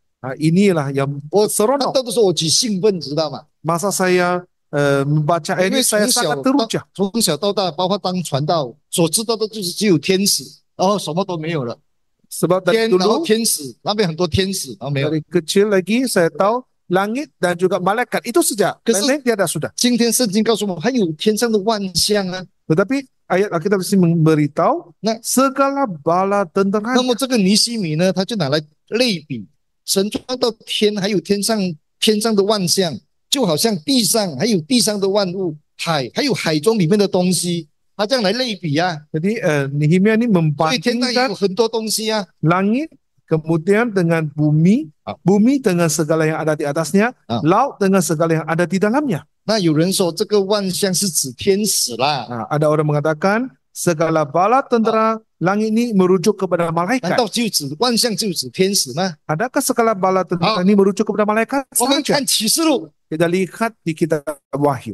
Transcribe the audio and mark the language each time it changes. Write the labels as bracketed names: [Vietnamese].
[Malay] 啊 ，inilah yang 我 seronok. [Chinese] 到的时候我几兴奋，知道吗 [Malay] ？Masa saya membaca ini saya sangat teruja. [Chinese] 从小到大，包括当传道，所知道的就是只有天使，然后什么都没有了。 [Malay] Sebab dari dulu, [Chinese] 然后天使那边很多天使、哦、没有 [Malay] dari kecil lagi saya tahu langit dan juga malaikat itu saja. [Chinese] 可是 [Malay] lain-lain tiada sudah. [Chinese] 今天圣经告诉我们还有天上的万象啊。 [Malay] Tetapi ayat kita mesti memberitahu segala bala tenteranya. [Chinese] 那么这个尼希米呢，他就拿来类比神创造天还有天上的万象，就好像地上还有地上的万物，海还有海中里面的东西。他这样来类比啊， [Malay] jadi Nehemia ini membandingkan [Chinese] 很多东西啊， [Malay] langit kemudian dengan bumi, bumi dengan segala yang ada di atasnya, laut dengan segala yang ada di dalamnya. [Chinese] 那有人说这个万象是指天使啦。 [Malay] Ada orang mengatakan segala bala tentara langit ini merujuk kepada malaikat. [Chinese] 难道就指万象就指天使吗？ [Malay] Adakah segala bala tentara ini merujuk kepada malaikat? [Chinese] 我们看启示录。 [Malay] Kita lihat di kitab Wahyu.